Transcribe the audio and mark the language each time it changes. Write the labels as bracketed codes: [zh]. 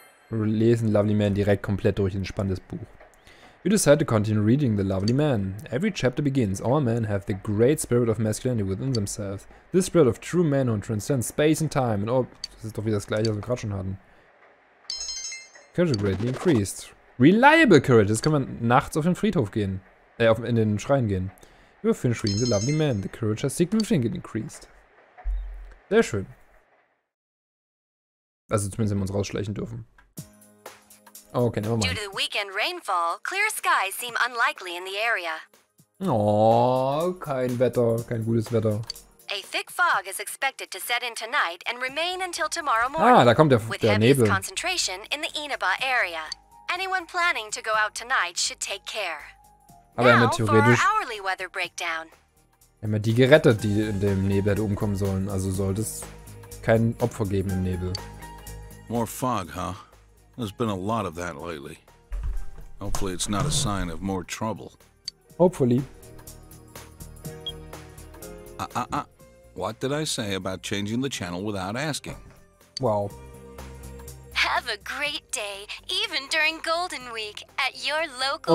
[de] Wir lesen Lovely Man direkt komplett durch ein spannendes Buch. [en] You decide to continue reading The Lovely Man. Every chapter begins. All men have the great spirit of masculinity within themselves. This spirit of true manhood transcends space and time. [de] And oh, das ist doch wieder das gleiche, was wir gerade schon hatten. [en] Courage greatly increased. Reliable courage. [de] Jetzt können wir nachts auf den Friedhof gehen. In den Schrein gehen. [en] You have finished reading The Lovely Man. The courage has significantly increased. [de] Sehr schön. Also zumindest wenn wir uns rausschleichen dürfen. Okay, nehmen wir mal. [en] Due to the weekend rainfall, clear skies seem unlikely in the area. [de] Oh, kein Wetter, kein gutes Wetter. [en] A thick fog is expected to set in tonight and remain until tomorrow morning. [de] Ah, da kommt der Nebel. [en] With concentration in the Inaba area. Anyone planning to go out tonight should take care. [de] Aber now, theoretisch. [en] For our hourly weather breakdown. [de] Wir haben ja die gerettet, die in dem Nebel hätte umkommen sollen. Also sollte es kein Opfer geben im Nebel. [en] More fog, huh? There's been a lot of that lately. Hopefully it's not a sign of more trouble. Hopefully. What did I say about changing the channel without asking? Well. Have Have a great day, even during Golden Week, at your local